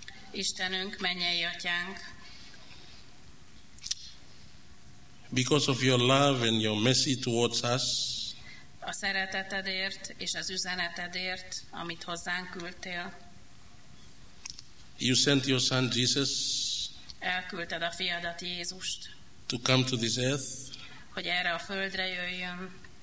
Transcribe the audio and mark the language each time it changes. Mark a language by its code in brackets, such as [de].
[hu] Istenünk, mennyei atyánk. [en] Because of your love and your mercy towards us. [hu] A szeretetedért és az üzenetedért, amit hozzánk küldtél. [en] You sent your son Jesus. [hu] Elküldted a fiadat Jézust. [en] To come to this earth. [hu] Hogy erre a földre jöjjön.